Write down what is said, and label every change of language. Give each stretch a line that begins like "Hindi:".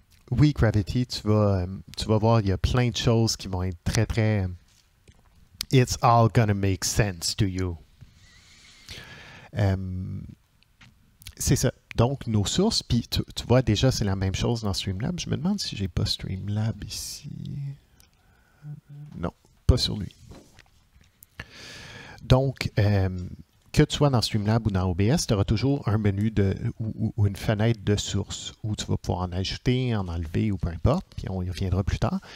French: Oui, Gravity, tu vas voir, il y a plein de choses qui vont être très, très...
English: It's all gonna make sense to you.
French: C'est ça. Donc, nos sources, puis tu vois déjà, c'est la même chose dans Streamlab. Je me demande si j'ai pas Streamlab ici. Non, pas sur lui. Donc, que tu sois dans Streamlab ou dans OBS, tu auras toujours un menu ou une fenêtre de sources où tu vas pouvoir en ajouter, en enlever ou peu importe, puis on y reviendra plus tard.